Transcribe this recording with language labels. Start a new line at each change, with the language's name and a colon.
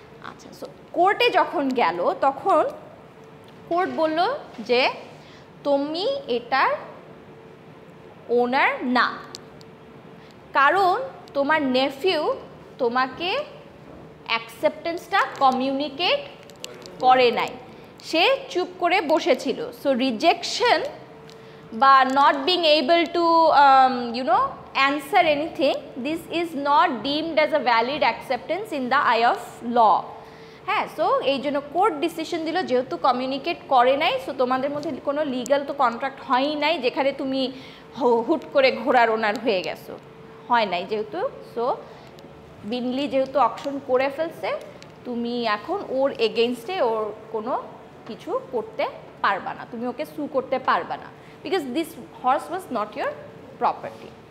Bangla: আচ্ছা, সো কোর্টে যখন গেল তখন কোর্ট বলল যে তুমি এটার ওনার না, কারণ তোমার নেফিউ তোমাকে অ্যাকসেপ্টেন্সটা কমিউনিকেট করে নাই, সে চুপ করে বসেছিল.
English: So rejection বা not being able to you know answer anything, this is not deemed as a valid acceptance in the eye of law.
Bangla: হ্যাঁ, সো এই জন্য কোর্ট ডিসিশন দিল যেহেতু কমিউনিকেট করে নাই, সো তোমাদের মধ্যে কোনো লিগাল তো কন্ট্রাক্ট হয়ই নাই যেখানে তুমি হুট করে ঘোড়ার ওনার হয়ে গেছো, হয় নাই যেহেতু. সো বিনলি যেহেতু অকশন করে ফেলছে, তুমি এখন ওর এগেনস্টে ওর কোনো কিছু করতে পারবা না, তুমি ওকে সু করতে পারবা না,
English: Because this horse was not your property.